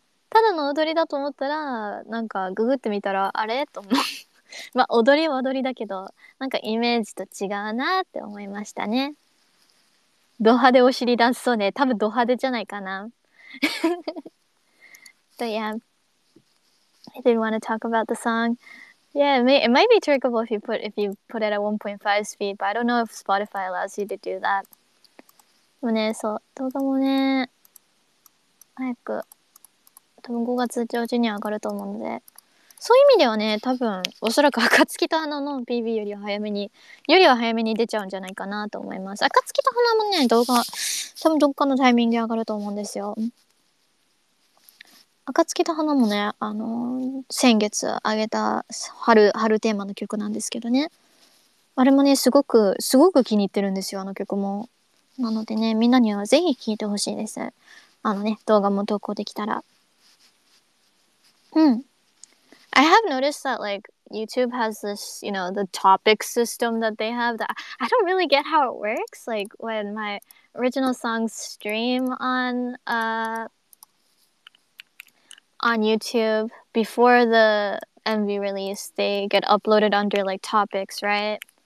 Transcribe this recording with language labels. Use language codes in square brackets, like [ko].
[ja] ただの踊りだと思ったら、なんかググってみたら、あれ？と思う。まあ、踊りは踊りだけど、なんかイメージと違うなって思いましたね。ド派手お尻出すそうね。多分ド派手じゃないかな。 [en] But yeah, I didn't want to talk about the song. Yeah, it might be trickable if you put it at 1.5 speed, but I don't know if Spotify allows you to do that. [ja] もうね、そう、動画もね、早く、多分5月上旬に上がると思うので、そういう意味ではね、多分、おそらく、暁と花の PV よりは早めに、よりは早めに出ちゃうんじゃないかなと思います。暁と花もね、動画、多分どっかのタイミングで上がると思うんですよ。暁と花もね、先月上げた春テーマの曲なんですけどね。あれもね、すごく気に入ってるんですよ、あの曲も。なのでね、みんなにはぜひ聴いてほしいです。あのね、動画も投稿できたら。うん。 [en] I have noticed that, like, YouTube has this, you know, the topic system that they have that I don't really get how it works. Like, when my original songs stream on YouTube, before the MV release, they get uploaded under, like, topics, right?